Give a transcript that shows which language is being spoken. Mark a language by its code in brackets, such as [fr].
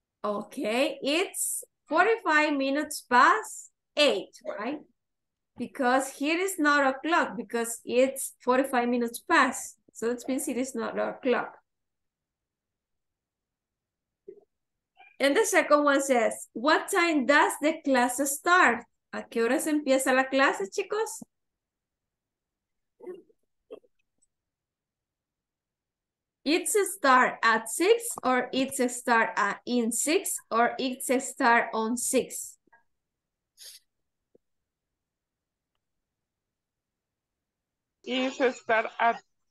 [en] Okay, it's 45 minutes past 8, right? Because here is not o'clock, because it's 45 minutes past. So that means it is not o'clock. And the second one says, what time does the class start? [es] ¿A qué hora se empieza la clase, chicos? [en] It's a start at 6, or it's a start at in 6, or it's a start on 6. It's a start at...